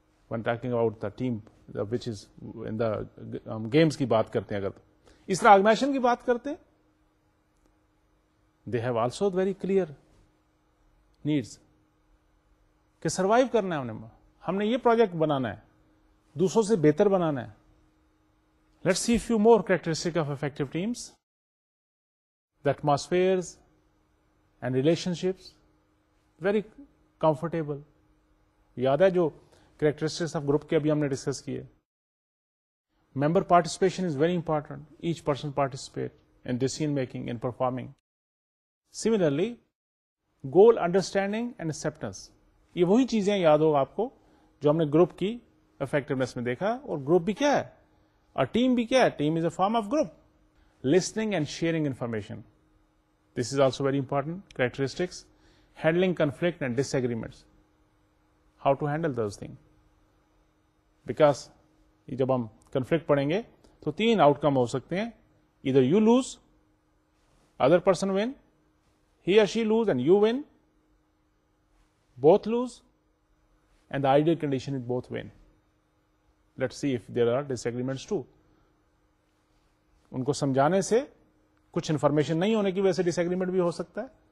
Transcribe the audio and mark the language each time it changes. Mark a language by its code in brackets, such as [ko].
[en] when talking about the team which is in the games [ur] کی بات کرتے ہیں, اگر اس طرح آرگنائزیشن کی بات کرتے ہیں, [en] they have also very clear needs [ur] کہ survive کرنا ہے, ہم نے یہ project بنانا ہے, دوسروں سے بہتر بنانا ہے. [en] Let's see few more characteristics of effective teams, the atmospheres and relationships very comfortable. [ur] یاد ہے جو [en] characteristics of group [ur] کے ابھی ہم نے [en] discuss [ur] کیے, [en] member participation is very important, each person participate in decision making, in performing. Similarly, goal understanding and acceptance. [ur] یہ وہی چیزیں یاد ہوگا آپ کو جو ہم نے گروپ کی افیکٹونیس میں دیکھا. اور گروپ بھی کیا ہے اور ٹیم بھی کیا ہے, [en] Team is a form of group. Listening and sharing information, This is also very important characteristics. Handling conflict and disagreements. How to handle those things? Because [ur] جب ہم conflict پڑھیں گے تو تین outcome ہو سکتے ہیں. [en] Either you lose, other person win, he or she lose and you win, both lose, and the ideal condition is both win. Let's see if there are disagreements too. [ur] ان کو سمجھانے سے کچھ information نہیں ہونے کی وجہ سے disagreement بھی ہو سکتا ہے.